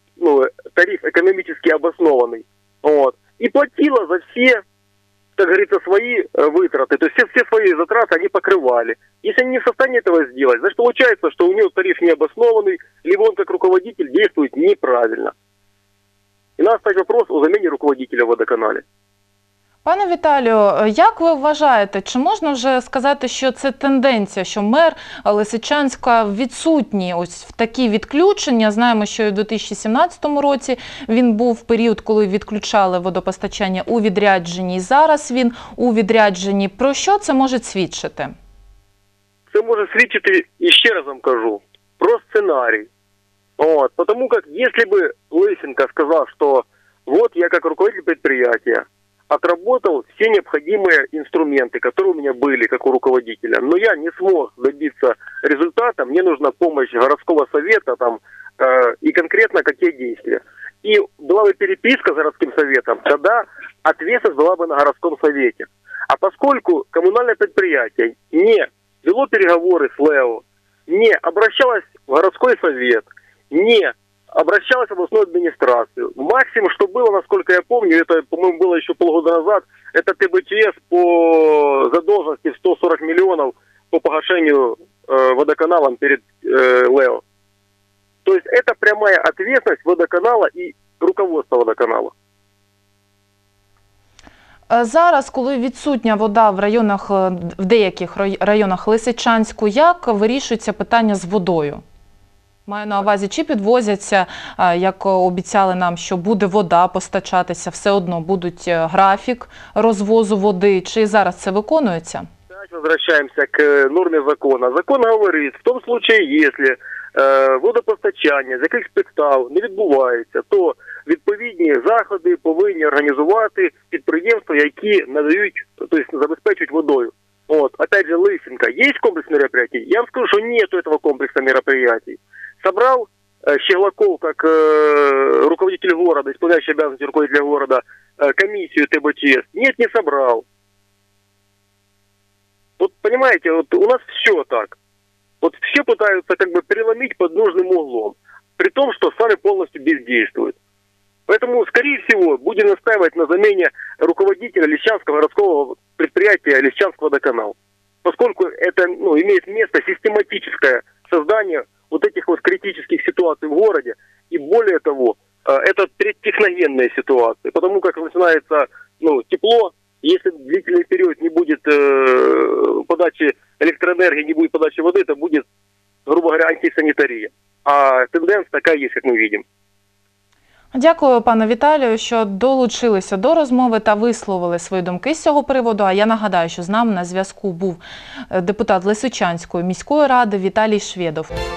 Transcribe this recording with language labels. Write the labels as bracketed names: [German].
[Russian] Ну, тариф экономически обоснованный, вот, и платила за все, как говорится, свои вытраты, то есть все свои затраты они покрывали. Если они не в состоянии этого сделать, значит, получается, что у него тариф необоснованный, либо он как руководитель действует неправильно. И надо ставить вопрос о замене руководителя в водоканале. [Ukrainian] Пане Віталію, як ви вважаєте, чи можна вже сказати, що це тенденція, що мер Лисичанська відсутній ось в такі відключення? Знаємо, що у 2017 році він був в період, коли відключали водопостачання у відрядженні, зараз він у відрядженні. Про що це може свідчити? Це може свідчити, і ще раз вам кажу, про сценарій. От, тому як, якщо б Лисенко сказав, що от я як руководитель підприємства, [Russian] отработал все необходимые инструменты, которые у меня были, как у руководителя. Но я не смог добиться результата, мне нужна помощь городского совета там, и конкретно какие действия. И была бы переписка с городским советом, тогда ответственность была бы на городском совете. А поскольку коммунальное предприятие не вело переговоры с ЛЭО, не обращалось в городской совет, не обращалось в областную администрацию. Максимум, что было, насколько я помню, это, по-моему, было еще полгода назад, это ТБЧС по задолженности в 140 миллионов по погашению водоканалом перед ЛЭО. То есть это прямая ответственность водоканала и руководства водоканала. [Ukrainian] Зараз, коли відсутня вода в районах, в деяких районах Лисичанську, як вирішується питання з водою? Маю на увазі, чи підвозяться, як обіцяли нам, що буде вода постачатися, все одно будуть графік розвозу води, чи зараз це виконується? Так, возвращаємося к нормі закону. Закон говорить, в тому випадку, якщо водопостачання з якихось підстав не відбувається, то відповідні заходи повинні організувати підприємства, які надають, тобто забезпечують водою. От, [Russian] опять же, [Ukrainian] Лисенка, є комплекс мероприятий? Я вам скажу, що нету цього комплексу мероприятий. [Russian] Собрав Щеглаков, як руководитель города, исполняющий обязанности руководителя города, комиссию ТБЧС? Нет, не собрал. Вот понимаете, вот у нас все так. Вот все пытаются как бы переломить под нужным углом, при том, что сами полностью бездействуют. Поэтому, скорее всего, будем настаивать на замене руководителя Лисичанского городского предприятия Лисичанский водоканал. Поскольку это, ну, имеет место систематическое создание вот этих вот критических ситуаций в городе. И более того, это техногенные ситуации. Потому как начинается, ну, тепло, если длительный период не будет подачи электроэнергии, не будет подачи воды, это будет, грубо говоря, антисанитария. А тенденция такая есть, как мы видим. [Ukrainian] Дякую, пане Віталію, що долучилися до розмови та висловили свої думки з цього приводу. А я нагадаю, що з нами на зв'язку був депутат Лисичанської міської ради Віталій Шведов.